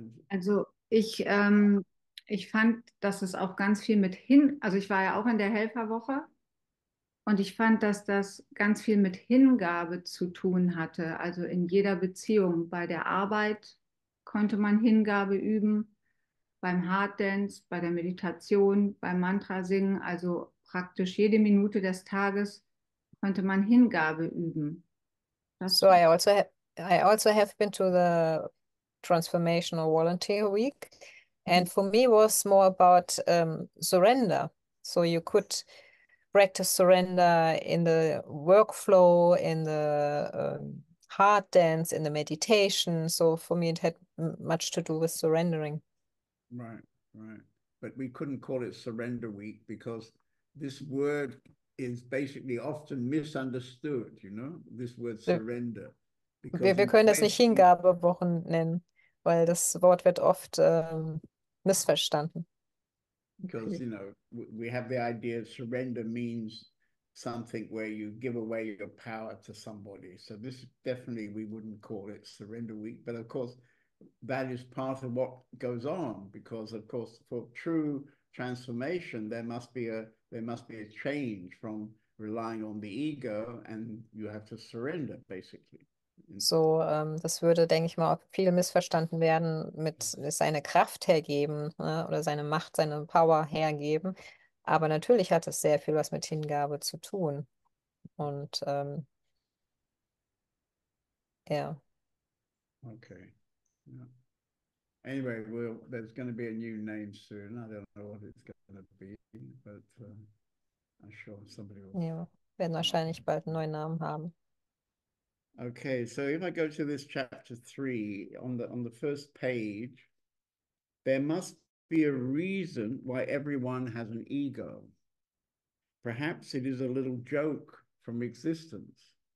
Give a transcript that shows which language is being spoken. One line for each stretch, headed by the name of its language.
German: Also ich fand, dass es auch ganz viel mit hin, also ich war ja auch in der Helferwoche und ich fand, dass das ganz viel mit Hingabe zu tun hatte, also in jeder Beziehung, bei der Arbeit konnte man Hingabe üben, beim Heartdance, bei der Meditation, beim Mantra singen, also praktisch jede Minute des Tages konnte man Hingabe üben.
English: Das so I also have been to the Transformational Volunteer Week, and for me it was more about surrender. So you could practice surrender in the workflow, in the heart dance, in the meditation. So for me it had much to do with surrendering. Right, right. But we couldn't call it Surrender Week because this word is basically often misunderstood, you know, this word surrender.
German: Wir können das nicht Hingabewochen nennen, weil das Wort wird oft missverstanden.
English: Because, you know, we have the idea surrender means something where you give away your power to somebody. So this definitely we wouldn't call it Surrender Week. But of course, that is part of what goes on, because of course, for true transformation, there must be a change from relying on the ego, and you have to surrender, basically.
German: So, das würde, denke ich mal, viel missverstanden werden mit seine Kraft hergeben, ne, oder seine Macht, seine Power hergeben. Aber natürlich hat es sehr viel was mit Hingabe zu tun. Und ja.
English: Okay. Yeah. Anyway, there's going to be a new name soon. I don't know what it's going to be, but I'm sure somebody will.
German: Ja, werden wahrscheinlich bald einen neuen Namen haben.
English: Okay, so if I go to this chapter 3 on the first page, there must be a reason why everyone has an ego. Perhaps it is a little joke from existence.